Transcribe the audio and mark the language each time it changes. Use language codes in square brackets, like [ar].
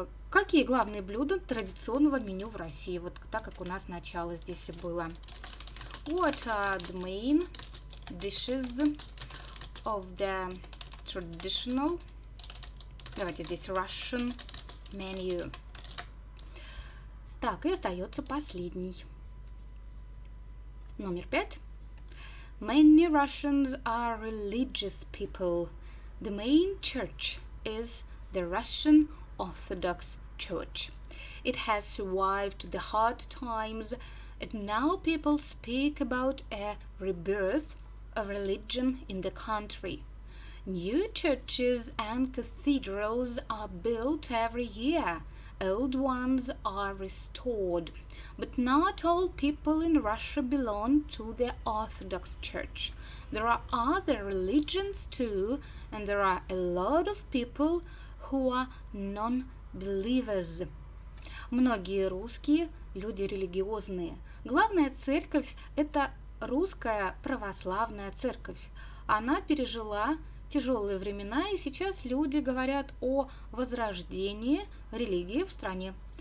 [ru] Какие главные блюда традиционного меню в России? Вот так, как у нас начало здесь и было. [en] What are the main dishes of the traditional... [ru] Давайте здесь [en] Russian menu. [ru] Так, и остается последний. Номер пять. [en] Many Russians are religious people. The main church is the Russian Orthodox Church. It has survived the hard times, and now people speak about a rebirth of religion in the country. New churches and cathedrals are built every year. Old ones are restored. But not all people in Russia belong to the Orthodox Church. There are other religions too, and there are a lot of people who are non-believers. [ru] Многие русские – люди религиозные. Главная церковь – это русская православная церковь. Она пережила тяжелые времена, и сейчас люди говорят о возрождении религии в стране.